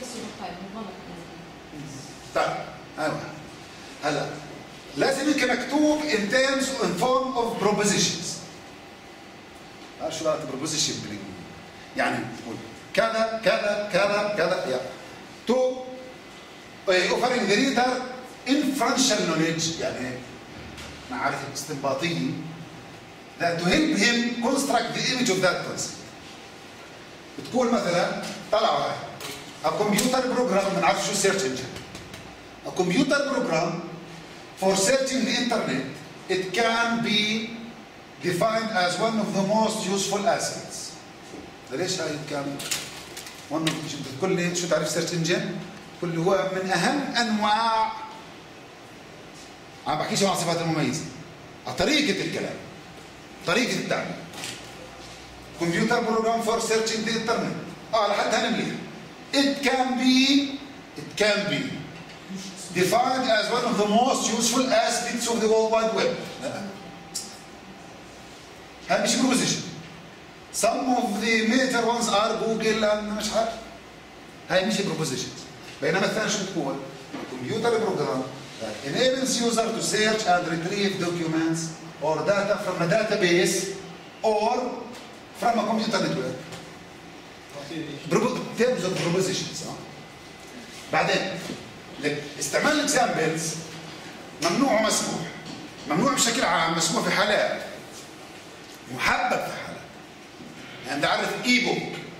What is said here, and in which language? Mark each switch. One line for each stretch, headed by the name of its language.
Arabic: السوبر تايب غلط طيب هلا هلا لازم يكون مكتوب
English: in terms in form of propositions
Arabic: شو معنى بروبوزيشن بالانجليزي؟ يعني تقول كذا كذا كذا كذا
English: to offering the reader inferential knowledge
Arabic: يعني معرفة استنباطية
English: that to help him construct the image of that concept.
Arabic: بتقول مثلا طلعوا
English: a computer program
Arabic: من عارف شو search engine.
English: A computer program for searching the internet, it can be defined as one of the most useful assets.
Arabic: ليش هاي كان
English: one of the most useful assets؟
Arabic: شو تعرف search engine؟ كل هو من أهم أنواع عم بحكيش عن صفات المميزة طريقة الكلام طريقة التعبير.
English: Computer program for searching the internet.
Arabic: لحد هنمليها.
English: It can be defined as one of the most useful aspects of the World Wide Web.
Arabic: هاي مش proposition.
English: Some of the major ones are Google and
Arabic: مش عارف. هاي مش proposition. بينما الثاني شو بتقول؟
English: Computer program that enables user to search and retrieve documents or data from a database or from a computer network. Terms of propositions.
Arabic: بعدين استعمال examples ممنوع ومسموح. ممنوع بشكل عام مسموح في حالات. محبب في حالات. يعني تعرف e-book.